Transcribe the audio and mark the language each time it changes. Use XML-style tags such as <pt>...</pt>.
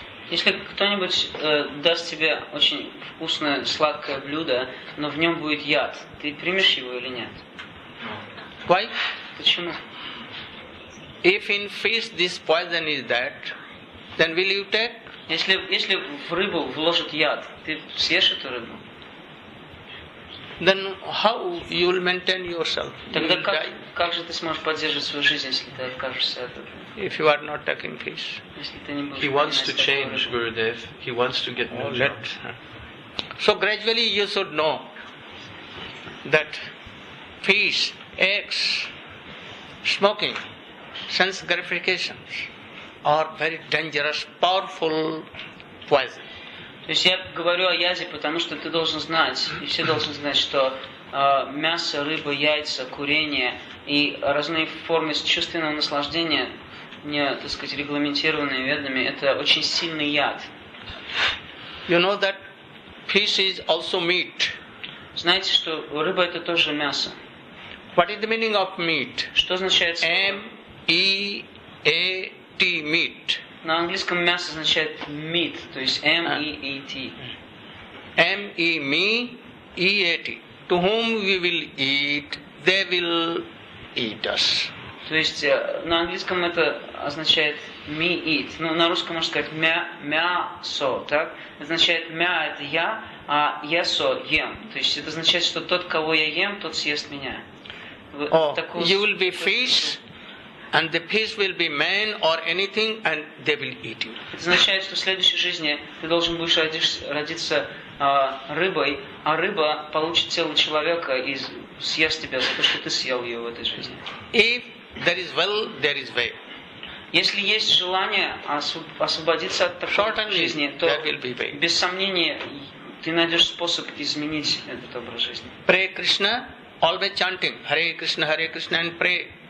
<ru>Если кто-нибудь даст тебе очень вкусное, сладкое блюдо, но в нем будет яд, ты примешь его или нет?</ru> <en>Why?</en> <ru>Почему?</ru> <en>If in fish this poison is that, then will you take?</en> <ru>Если в рыбу вложат яд, ты съешь эту рыбу?</ru> <en>Then how you will maintain yourself?</en> <ru>Тогда как же ты сможешь поддерживать свою жизнь, если ты откажешься от этого?</ru> <en>If you are not taking fish. He wants to change, Gurudev. He wants to get more. So gradually you should know that fish, eggs, smoking, sense gratifications are very dangerous, powerful poison.</en> <ru>То есть я говорю о яде, потому что ты должен знать, и все должны знать, что мясо, рыба, яйца, курение и разные формы чувственного наслаждения, не, так сказать, регламентированные ведами, это очень сильный яд.</ru> <en>You know that fish is also meat.</en> <ru>Знаете, что рыба это тоже мясо.</ru> <en>What is the meaning of meat?</en> <ru>Что означает слово?</ru> <en>M-E-A-T, meat.</en> <ru>На английском мясо означает meat, то есть M-E-A-T.</ru> <en>M-E-M-E-A-T. To whom we will eat, they will eat us.</en> <ru>То есть на английском это означает</ru> <en>me eat.</en> <ru>Ну, на русском можно сказать мясо, так? Означает мя это я, а ясо ем. То есть это означает, что тот, кого я ем, тот съест меня.</ru> <en>You will be fish, and the fish will be man or anything, and they will eat you.</en> <ru>Это означает, что в следующей жизни ты должен будешь родиться рыбой, а рыба получит тело человека и съест тебя за то, что ты съел ее в этой жизни.</ru> <en>There is will, there is way.</en> <ru>Если есть желание освободиться от такой жизни, то без сомнения ты найдешь способ изменить этот образ жизни.</ru> <en>Pray Krishna, always chanting Hare Krishna and pray.</en>